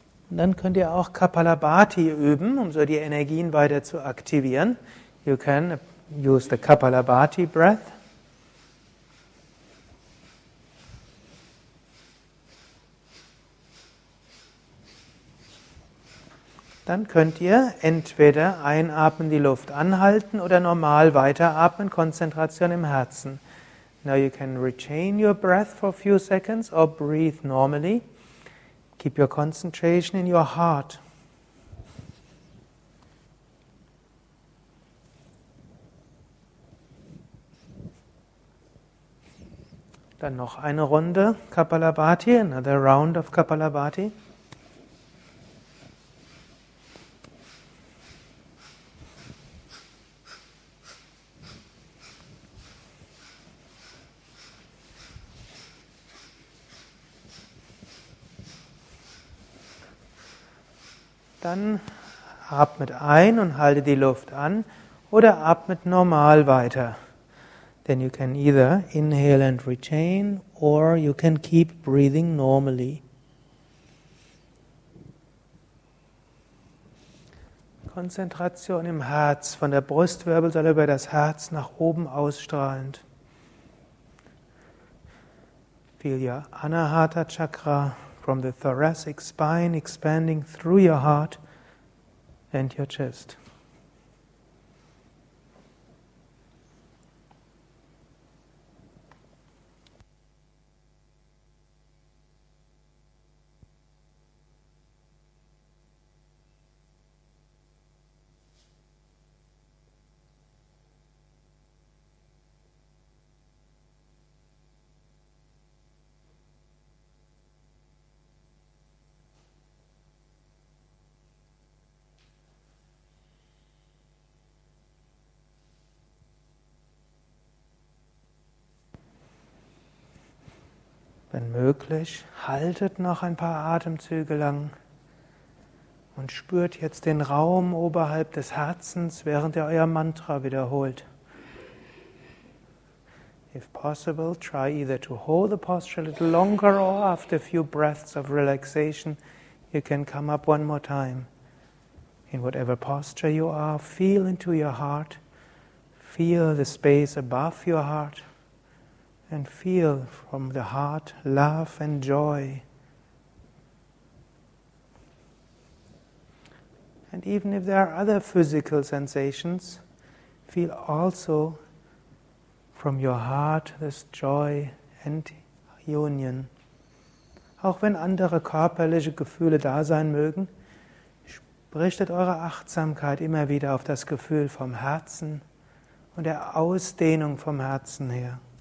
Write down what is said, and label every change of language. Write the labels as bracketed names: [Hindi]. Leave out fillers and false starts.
[German] Und dann könnt ihr auch Kapalabhati üben, um so die Energien weiter zu aktivieren. [English] You can use the Kapalabhati breath. [German] Dann könnt ihr entweder einatmen, die Luft anhalten oder normal weiteratmen, Konzentration im Herzen. [English] Now you can retain your breath for a few seconds or breathe normally. Keep your concentration in your heart. [German] Dann noch eine Runde Kapalabhati, [English] another round of Kapalabhati. [German] Dann atmet ein und halte die Luft an oder atmet normal weiter. [English] Then you can either inhale and retain or you can keep breathing normally. [German] Konzentration im Herz, von der Brustwirbelsäule über das Herz nach oben ausstrahlend. [English] Feel your Anahata Chakra from the thoracic spine expanding through your heart. And your chest. [German] Wenn möglich, haltet noch ein paar Atemzüge lang und spürt jetzt den Raum oberhalb des Herzens, während ihr euer Mantra wiederholt. [English] If possible, try either to hold the posture a little longer or after a few breaths of relaxation, you can come up one more time. In whatever posture you are, feel into your heart, feel the space above your heart, and feel from the heart love and joy. And even if there are other physical sensations, feel also from your heart this joy and union. [German] Auch wenn andere körperliche Gefühle da sein mögen, richtet eure Achtsamkeit immer wieder auf das Gefühl vom Herzen und der Ausdehnung vom Herzen her.